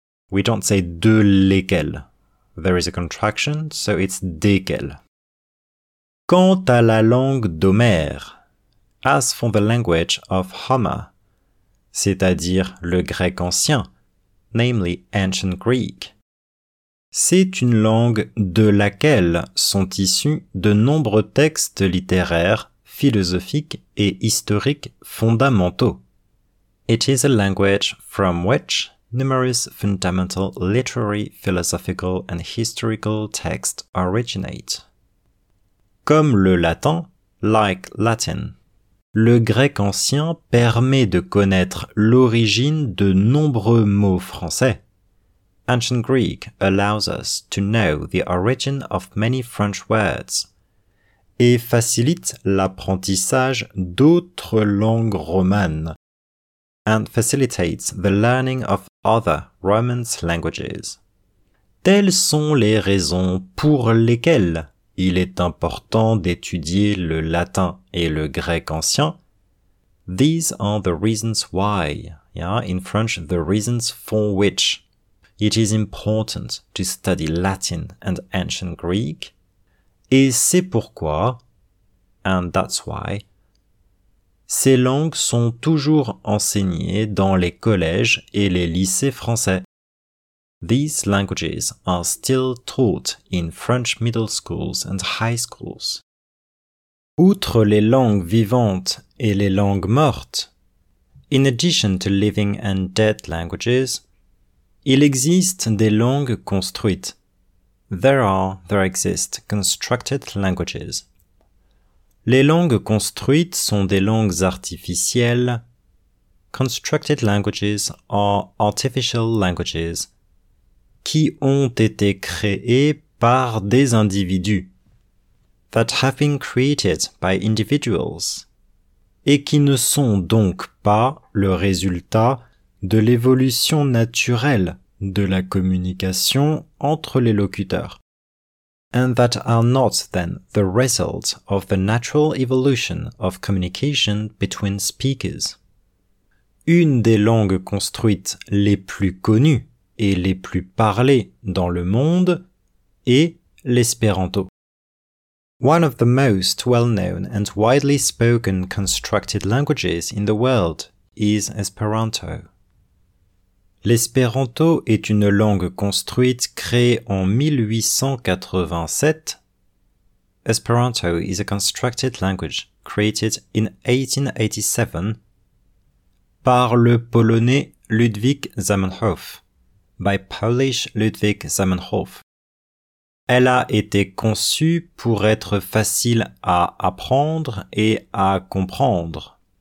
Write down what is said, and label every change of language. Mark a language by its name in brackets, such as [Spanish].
[English] We don't say de lesquels. There is a contraction, so it's desquels. [French] Quant à la langue d'Homère, [English] as for the language of Homer, [French] c'est-à-dire le grec ancien, [English] namely ancient Greek, [French] C'est une langue de laquelle sont issus de nombreux textes littéraires, philosophiques et historiques fondamentaux. [English] It is a language from which numerous fundamental literary, philosophical and historical texts originate. [French] Comme le latin, [English] like Latin. [French] Le grec ancien permet de connaître l'origine de nombreux mots français. [English] Ancient Greek allows us to know the origin of many French words [French] et facilite l'apprentissage d'autres langues romanes [English] and facilitates the learning of other Roman languages. [French] Telles sont les raisons pour lesquelles il est important d'étudier le latin et le grec ancien. [English] These are the reasons why, in French, the reasons for which. It is important to study Latin and ancient Greek. [French] Et c'est pourquoi, [English] and that's why, [French] ces langues sont toujours enseignées dans les collèges et les lycées français. [English] These languages are still taught in French middle schools and high schools. [French] Outre les langues vivantes et les langues mortes, [English] in addition to living and dead languages, [French] il existe des langues construites. [English] There exist constructed languages. [French] Les langues construites sont des langues artificielles. [English] Constructed languages are artificial languages. [French] Qui ont été créées par des individus. [English] That have been created by individuals. [French] Et qui ne sont donc pas le résultat de l'évolution naturelle de la communication entre les locuteurs. [English] And that are not then the result of the natural evolution of communication between speakers. [French] Une des langues construites les plus connues et les plus parlées dans le monde est l'espéranto. [English] One of the most well-known and widely spoken constructed languages in the world is Esperanto. [French] L'espéranto est une langue construite créée en 1887. [English] Esperanto is a constructed language created in 1887 [French] par le polonais Ludwig Zamenhof. [English] By Polish Ludwig Zamenhof. [French] Elle a été conçue pour être facile à apprendre et à comprendre.